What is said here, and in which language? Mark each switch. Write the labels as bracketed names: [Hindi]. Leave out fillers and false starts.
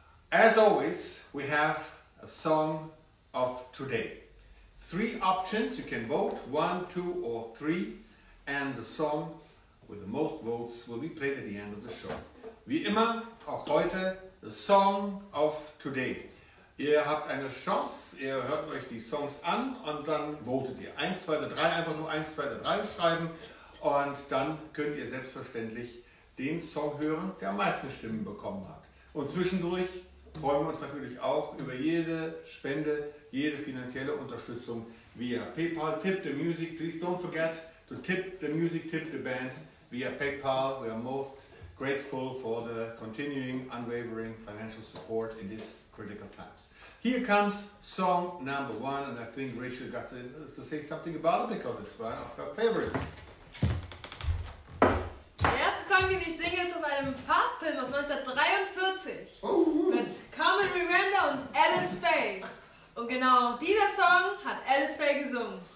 [English] As always, we have a song of today. Three options, you can vote, one, two, or three, and the song with the most votes will be played at the end of the show. [German] Wie immer, auch heute, [English] the song of today. [German] Ihr habt eine Chance, ihr hört euch die Songs an und dann votet ihr. Eins, zwei, drei, einfach nur eins, zwei, drei schreiben und dann könnt ihr selbstverständlich den Song hören, der am meisten Stimmen bekommen hat. Und zwischendurch freuen wir uns natürlich auch über jede Spende, jede finanzielle Unterstützung via PayPal. [English] Tip the music, please don't forget to tip the music, tip the band via PayPal. We are most grateful for the continuing, unwavering financial support in this critical times. Here comes song number one, and I think Rachel got to say something about it because it's one of her favorites. [German] Den ich singe, ist aus einem Farbfilm aus 1943 mit Carmen Miranda und Alice Faye. Und genau dieser Song hat Alice Faye gesungen.